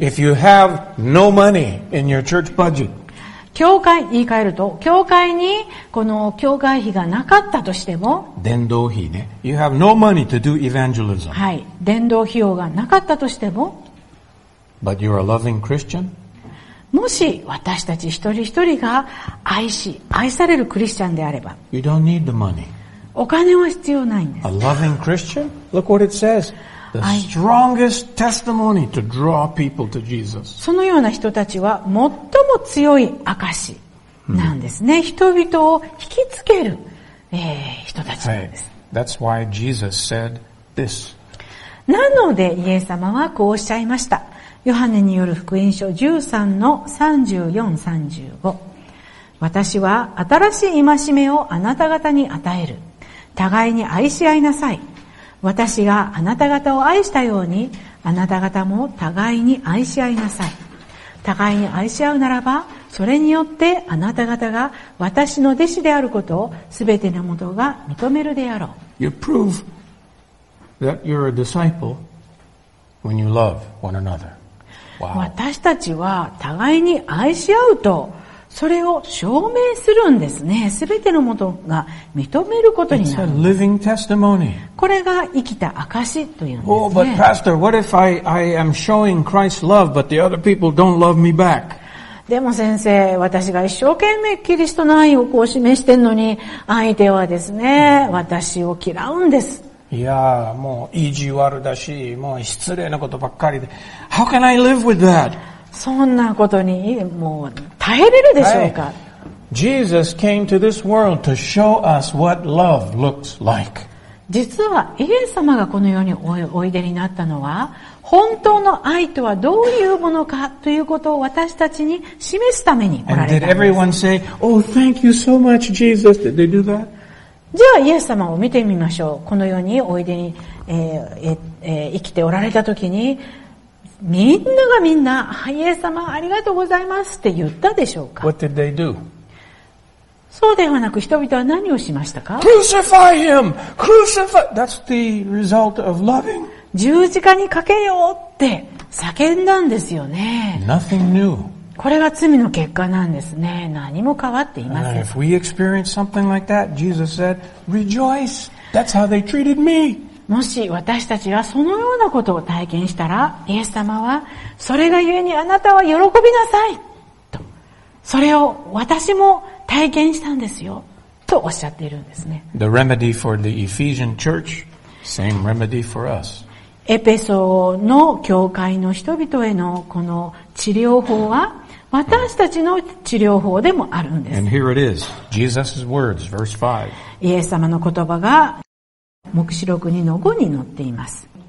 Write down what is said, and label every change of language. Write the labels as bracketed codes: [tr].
[en] If you have no money in your church budget, [ja] 教会言い換えると教会にこの教会費がなかったとしても、伝道費ね。 [en] You have no money to do evangelism. [ja] はい、伝道費用がなかったとしても、 [en] But you're a loving Christian. [ja] もし私たち一人一人が愛し愛されるクリスチャンであれば、 [en] You don't need the money. [ja] お金は必要ないんです。 [en] A loving Christian? Look what it says. The strongest testimony to draw people to Jesus. [ja] そのような人たちは最も強い証なんですね。人々を引きつける、人たちなんです。 [en] Hey, that's why Jesus said this. [ja] なのでイエス様はこうおっしゃいました。ヨハネによる福音書13の34-35。私は新しい戒めをあなた方に与える。互いに愛し合いなさい。私があなた方を愛したようにあなた方も互いに愛し合いなさい。互いに愛し合うならばそれによってあなた方が私の弟子であることをすべてのもとが認めるであろう。 [en] You prove that you're a disciple when you love one another. Wow. [ja] 私たちは互いに愛し合うとそれを証明するんですね。すべてのもとが認めることになる。 [en] It's a living testimony. [ja] これが生きた証というんですね。 [en] Oh, but Pastor, what if I am showing Christ's love, but the other people don't love me back? [ja] でも先生、私が一生懸命キリストの愛をこう示してんのに、相手はですね、私を嫌うんです。いやー、もう意地悪だし、もう失礼なことばっかりで、 [en] How can I live with that? [ja] そんなことにもう耐えれるでしょうか。 [en] Hey, Jesus came to this world to show us what love looks like. [ja] 実はイエス様がこの世に おいでになったのは本当の愛とはどういうものかということを私たちに示すためにおられたんです。 [en] And did everyone say, "Oh, thank you so much, Jesus"? Did they do that? [ja] じゃあイエス様を見てみましょう。この世においでに、生きておられたときに。みんながみんな、イエス様ありがとうございますって言ったでしょうか。 [en] What did they do? [ja] そうではなく人々は何をしましたか。 [en] Crucify him! Crucify! That's the result of loving. [ja] 十字架にかけようって叫んだんですよね。 [en] Nothing new. [ja] これが罪の結果なんですね。何も変わっていません。 [en] If we experience something like that, Jesus said, rejoice! That's how they treated me! [ja] もし私たちはそのようなことを体験したら、イエス様は、それがゆえにあなたは喜びなさいと、それを私も体験したんですよとおっしゃっているんですね。 [en] The remedy for the Ephesian church, same remedy for us. [ja] エペソの教会の人々へのこの治療法は、私たちの治療法でもあるんです。 [en] And here it is, Jesus' words, verse 5. [ja] イエス様の言葉が、黙示録2の5に載っています。